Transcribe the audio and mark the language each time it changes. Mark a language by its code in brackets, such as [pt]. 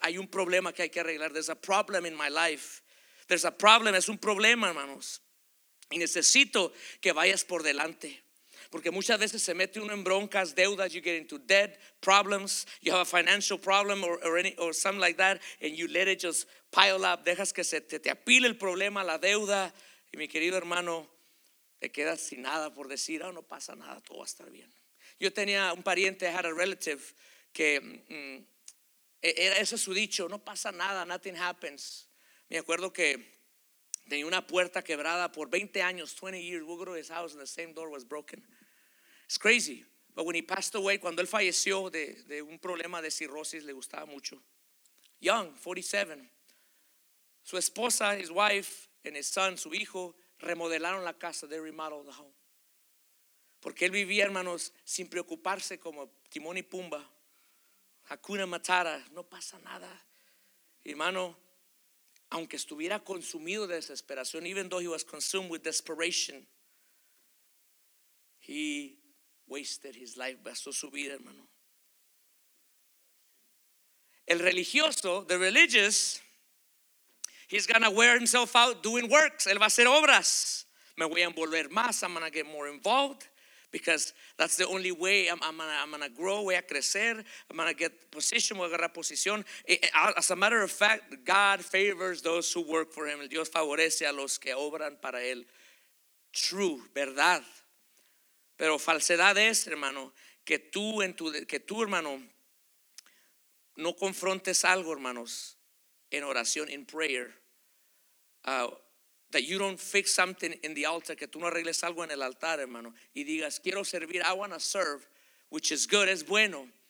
[es] Hay un problema que hay que arreglar, [en] there's a problem in my life. There's a problem, [es] es un problema, hermanos, y necesito que vayas por delante, porque muchas veces se mete uno en broncas, deudas, [en] you get into debt, problems, you have a financial problem or something like that, and you let it just pile up, [es] dejas que se te apile el problema, la deuda, y mi querido hermano, te quedas sin nada por decir, oh, no pasa nada, todo va a estar bien. Yo tenía un pariente, [en] I had a relative, [es] que era ese su dicho, no pasa nada, [en] nothing happens. [es] Me acuerdo que tenía una puerta quebrada por 20 años, 20 years. [en] We grew his house and the same door was broken. It's crazy. But when he passed away, [es] cuando él falleció de un problema de cirrosis, le gustaba mucho. [en] Young, 47. [es] Su esposa, [en] his wife, and his son, [es] su hijo, remodelaron la casa. [en] They remodeled the home. [es] Porque él vivía, hermanos, sin preocuparse, como Timón y Pumba. [en] Hakuna Matata. [es] No pasa nada. Hermano, aunque estuviera consumido de desesperación, [en] even though he was consumed with desperation, he wasted his life, [es] gastó su vida, hermano. El religioso, [en] the religious, he's gonna wear himself out doing works. [es] Él va a hacer obras. Me voy a envolver más, [en] I'm gonna get more involved, because that's the only way I'm gonna grow, [es] voy a crecer, [en] I'm gonna get position, [es] voy a agarrar posición. [en] As a matter of fact, God favors those who work for him. [es] Dios favorece a los que obran para él. True, verdad. Pero falsedad es, hermano, que tú, hermano, no confrontes algo, hermanos, en oración, in prayer. [en] That you don't fix something in the altar, [es] que tú no arregles algo en el altar, hermano, y digas, quiero servir, [en] I want to serve, which is good, [es] es bueno.